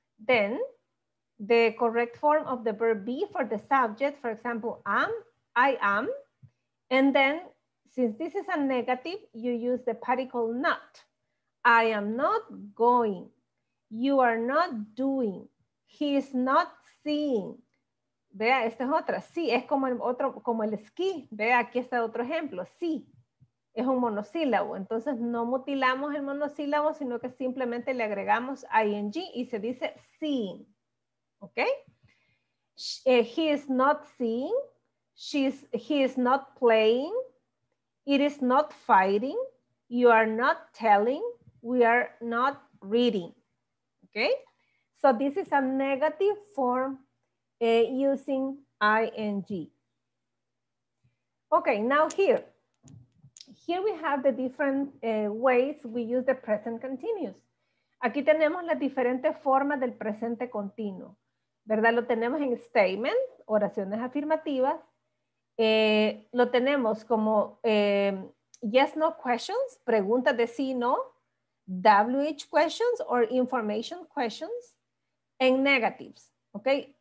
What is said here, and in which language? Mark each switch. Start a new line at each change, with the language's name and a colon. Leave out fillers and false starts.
English: Then, the correct form of the verb be for the subject, for example, am, I am. And then, since this is a negative, you use the particle not. I am not going. You are not doing. He is not seeing.
Spanish: Vea, esta es otra. Sí, es como el otro, como el ski. Vea, aquí está otro ejemplo. Sí, es un monosílabo. Entonces, no mutilamos el monosílabo, sino que simplemente le agregamos ing y se dice seeing. ¿Ok?
English: He is not seeing. He is not playing. It is not fighting. You are not telling. We are not reading. ¿Ok? So, this is a negative form using ing. Okay, now here. Here we have the different ways we use the present continuous.
Spanish: Aquí tenemos las diferentes formas del presente continuo. ¿Verdad? Lo tenemos en statement, oraciones afirmativas. Lo tenemos como yes, no questions, preguntas de sí, no.
English: WH questions or information questions. And negatives, okay?